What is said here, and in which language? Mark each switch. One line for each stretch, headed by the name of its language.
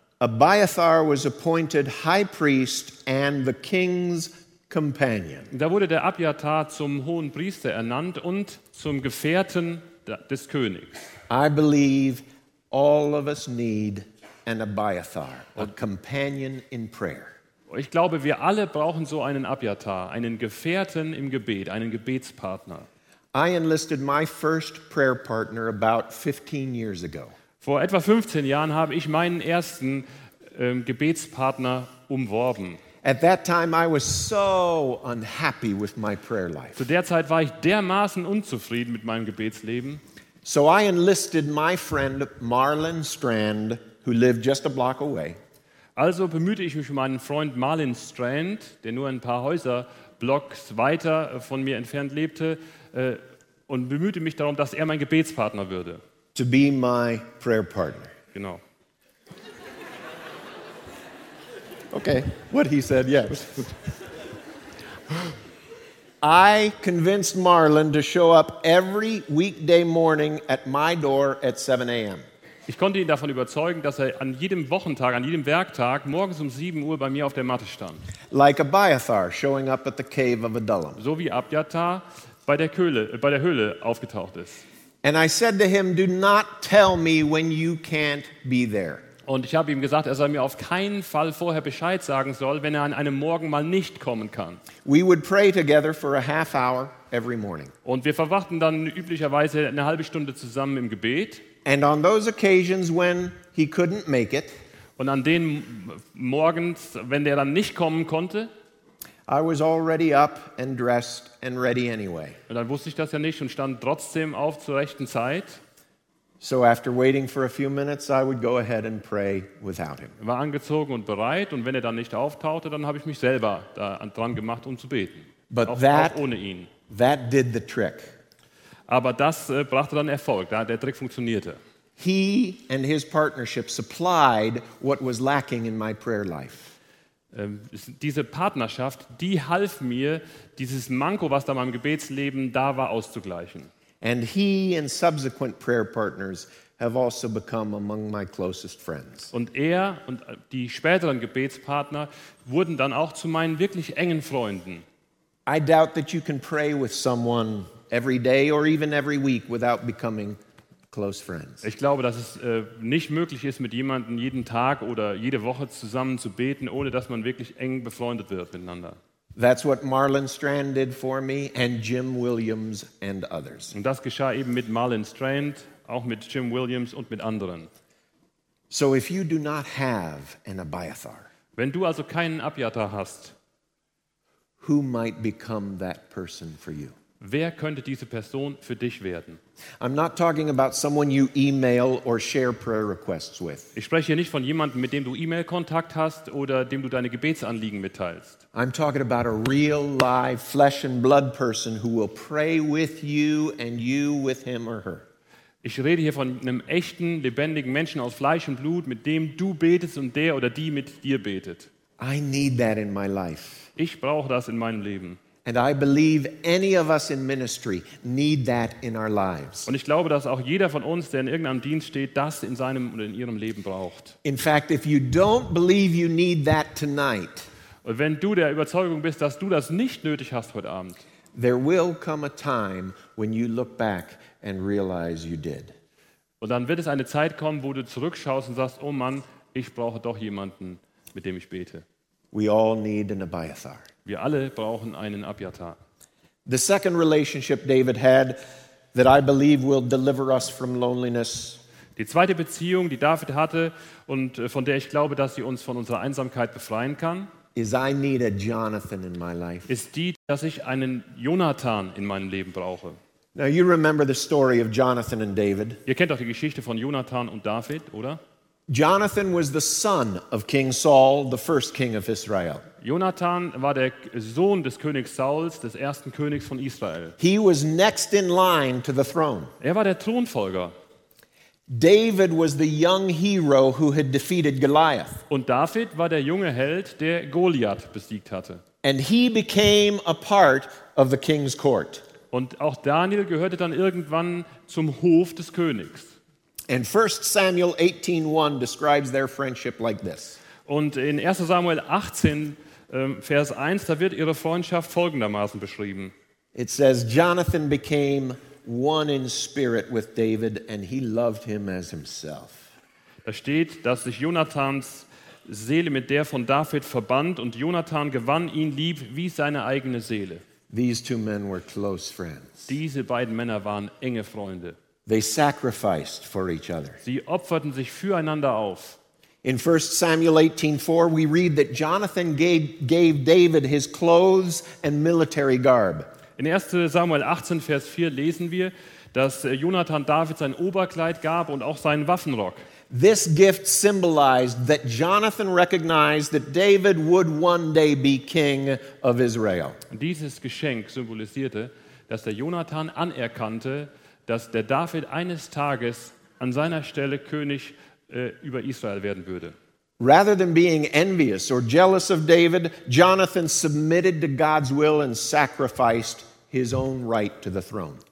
English: Abiathar was appointed high priest and the king's companion.
German: Da wurde der Abiathar zum hohen Priester ernannt und zum Gefährten des Königs.
English: I believe all of us need an Abiathar, a companion in prayer.
German: Ich glaube, wir alle brauchen so einen Abiathar, einen Gefährten im Gebet, einen Gebetspartner.
English: I enlisted my first prayer partner about 15 years ago.
German: Vor etwa 15 Jahren habe ich meinen ersten Gebetspartner umworben.
English: At that time I was so unhappy with my prayer life.
German: Zu der Zeit war ich dermaßen unzufrieden mit meinem Gebetsleben.
English: So I enlisted my friend Marlon Strand, who lived just a block away.
German: Also bemühte ich mich um meinen Freund Marlon Strand, der nur ein paar Häuser Blocks weiter von mir entfernt lebte, und bemühte mich darum, dass er mein Gebetspartner würde.
English: To be my prayer partner.
German: Genau.
English: Okay, what he said, yes. I convinced Marlon to show up every weekday morning at my door at 7 a.m.
German: Ich konnte ihn davon überzeugen, dass er an jedem Wochentag, an jedem Werktag, morgens um 7 Uhr bei mir auf der Matte stand.
English: Like Abiathar showing up at the cave of Adullam.
German: So wie Abiathar bei der Höhle aufgetaucht ist.
English: And I said to him, do not tell me when you can't be there.
German: Und ich habe ihm gesagt, er soll mir auf keinen Fall vorher Bescheid sagen soll, wenn er an einem Morgen mal nicht kommen kann.
English: We would pray together for a half hour every morning.
German: Und wir verwachten dann üblicherweise eine halbe Stunde zusammen im Gebet.
English: And on those occasions when he couldn't make it,
German: und an den Morgens, wenn der dann nicht kommen konnte,
English: I was already up and dressed and ready anyway.
German: Und dann wusste ich das ja nicht und stand trotzdem auf zur rechten Zeit.
English: So after waiting for a few minutes, I would go ahead and pray without him.
German: War angezogen und bereit, und wenn dann nicht auftauchte, dann habe ich mich selber da dran gemacht, zu beten.
English: But that did the trick.
German: Aber das brachte dann Erfolg, der Trick funktionierte.
English: He and his partnership supplied what was lacking in my prayer life.
German: Diese Partnerschaft, die half mir, dieses Manko, was da in meinem Gebetsleben da war, auszugleichen.
English: And he and subsequent prayer partners have also become among my closest friends.
German: Und er und die späteren Gebetspartner wurden dann auch zu meinen wirklich engen Freunden.
English: I doubt that you can pray with someone every day or even every week without becoming close friends.
German: Ich glaube, dass es nicht möglich ist, mit jemandem jeden Tag oder jede Woche zusammen zu beten, ohne dass man wirklich eng befreundet wird miteinander.
English: That's what Marlon Strand did for me and Jim Williams and others.
German: Und das geschah eben mit Marlon Strand, auch mit Jim Williams und mit anderen.
English: So if you do not have an Abiathar,
German: wenn du also keinen Abiathar hast,
English: who might become that person for you?
German: Wer könnte diese Person für dich werden?
English: I'm not talking about someone you email or share prayer requests with.
German: Ich spreche hier nicht von jemandem, mit dem du E-Mail-Kontakt hast oder dem du deine Gebetsanliegen mitteilst.
English: I'm talking about a real, live, flesh and blood person who will pray with you and you with him or her.
German: Ich rede hier von einem echten, lebendigen Menschen aus Fleisch und Blut, mit dem du betest und der oder die mit dir betet.
English: I need that in my life.
German: Ich brauche das in meinem Leben.
English: And I believe any of us in ministry need that in our lives.
German: Und ich glaube, dass auch jeder von uns, der in irgendeinem Dienst steht, das in seinem oder in ihrem Leben braucht.
English: In fact, if you don't believe you need that tonight,
German: und wenn du der Überzeugung bist, dass du das nicht nötig hast heute Abend,
English: there will come a time when you look back and realize you did.
German: Und dann wird es eine Zeit kommen, wo du zurückschaust und sagst, oh Mann, ich brauche doch jemanden, mit dem ich bete.
English: We all need an Abiathar.
German: Wir alle brauchen einen Abiathar.
English: The second relationship David had that I believe will deliver us from loneliness.
German: Die zweite Beziehung, die David hatte und von der ich glaube, dass sie uns von unserer Einsamkeit befreien kann,
English: is I need a Jonathan in my life.
German: Ist die, dass ich einen Jonathan in meinem Leben brauche.
English: Now you remember the story of Jonathan and David.
German: Ihr kennt doch die Geschichte von Jonathan und David, oder?
English: Jonathan was the son of King Saul, the first king of Israel.
German: Jonathan war der Sohn des Königs Sauls, des ersten Königs von Israel.
English: He was next in line to the throne.
German: Er war der Thronfolger.
English: David was the young hero who had defeated Goliath.
German: Und David war der junge Held, der Goliath besiegt hatte.
English: And he became a part of the king's court.
German: Und auch Daniel gehörte dann irgendwann zum Hof des Königs.
English: And 1 Samuel 18:1 describes their friendship like this.
German: Und in 1. Samuel 18 Vers 1 da wird ihre Freundschaft folgendermaßen beschrieben.
English: It says Jonathan became one in spirit with David and he loved him as himself.
German: Da steht, dass sich Jonathans Seele mit der von David verband und Jonathan gewann ihn lieb wie seine eigene Seele.
English: These two men were close friends.
German: Diese beiden Männer waren enge Freunde.
English: They sacrificed for each other.
German: Sie opferten sich füreinander auf.
English: In 1 Samuel 18:4 we read that Jonathan gave David his clothes and military garb.
German: In 1. Samuel 18 Vers 4 lesen wir, dass Jonathan David sein Oberkleid gab und auch seinen Waffenrock.
English: This gift symbolized that Jonathan recognized that David would one day be king of Israel.
German: Dieses Geschenk symbolisierte, dass der Jonathan anerkannte, dass der David eines Tages an seiner Stelle König über Israel werden würde.
English: Rather than being envious or jealous of David, Jonathan submitted to God's will and sacrificed his own right to the throne.